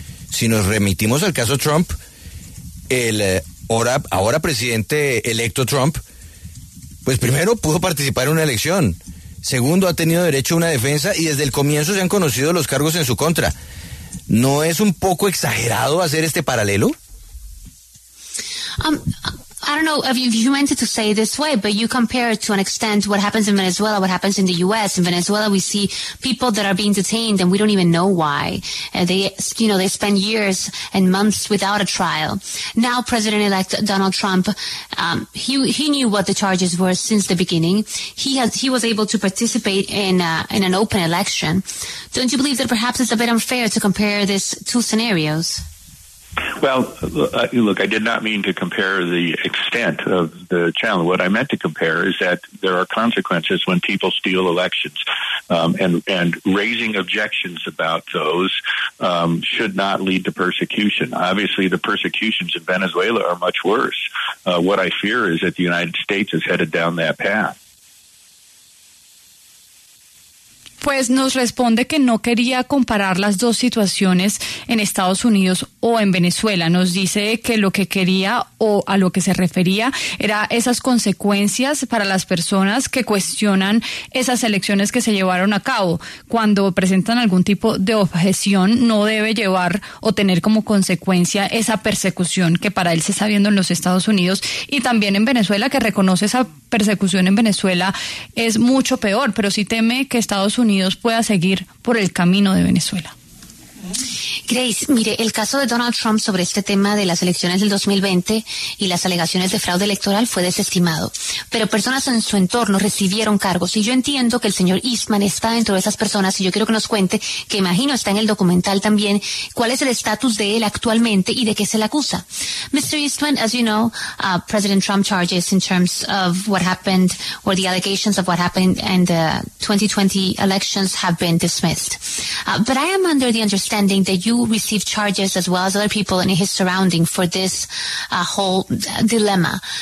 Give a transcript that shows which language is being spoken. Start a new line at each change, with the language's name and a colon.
Spanish: Si nos remitimos al caso Trump, el ahora presidente electo Trump, pues primero pudo participar en una elección, segundo ha tenido derecho a una defensa y desde el comienzo se han conocido los cargos en su contra. ¿No es un poco exagerado hacer este paralelo?
English: I don't know if you meant it to say it this way, but you compare it to an extent what happens in Venezuela, what happens in the U.S. In Venezuela, we see people that are being detained and we don't even know why. They spend years and months without a trial. Now, President-elect Donald Trump, he knew what the charges were since the beginning. He was able to participate in an open election. Don't you believe that perhaps it's a bit unfair to compare these two scenarios? Well, look, I did not mean to compare the extent of the challenge. What I meant to compare is that there are consequences when people steal elections, and raising objections about those should not lead to persecution. Obviously, the persecutions in Venezuela are much worse. What I fear is that the United States is headed down that path.
Spanish: Pues nos responde que no quería comparar las dos situaciones en Estados Unidos o en Venezuela. Nos dice que lo que quería o a lo que se refería era esas consecuencias para las personas que cuestionan esas elecciones que se llevaron a cabo. Cuando presentan algún tipo de objeción, no debe llevar o tener como consecuencia esa persecución que para él se está viendo en los Estados Unidos y también en Venezuela, que reconoce esa persecución en Venezuela es mucho peor, pero sí teme que Estados Unidos pueda seguir por el camino de Venezuela. Grace, mire, el caso de Donald Trump sobre este tema de las elecciones del 2020 y las alegaciones de fraude electoral fue desestimado, pero personas en su entorno recibieron cargos, y yo entiendo que el señor Eastman está dentro de esas personas, y yo quiero que nos cuente, que imagino está en el documental también, cuál es el estatus de él actualmente y de qué se le acusa.
English: Mr. Eastman, as you know, President Trump charges in terms of what happened, or the allegations of what happened in the 2020 elections have been dismissed. But I am under the understanding that you received charges as well as other people in his surrounding for this whole dilemma.